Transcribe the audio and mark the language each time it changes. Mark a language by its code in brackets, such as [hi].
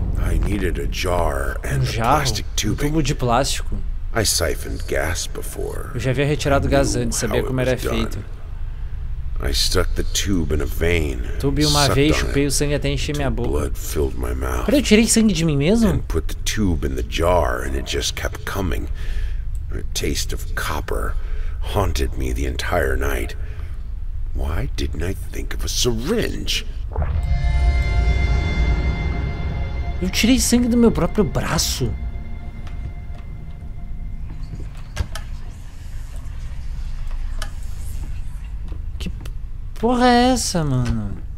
[en] I needed a jar and plastic tubing. [pt] Um tubo de plástico. [en] I siphoned gas before. [pt] Eu já havia retirado gás antes, sabia como era feito. [en] I stuck the tube in a vein. [pt] Tubei uma veia, chupei o sangue até encher minha boca. [en] Blood filled my mouth. [pt] Pera, eu tirei sangue de mim mesmo? [en] And put the tube in the jar and it just kept coming. A taste of copper haunted me the entire night. Why didn't I think of a syringe? [pt] Eu tirei sangue do meu próprio braço. Que porra é essa, mano?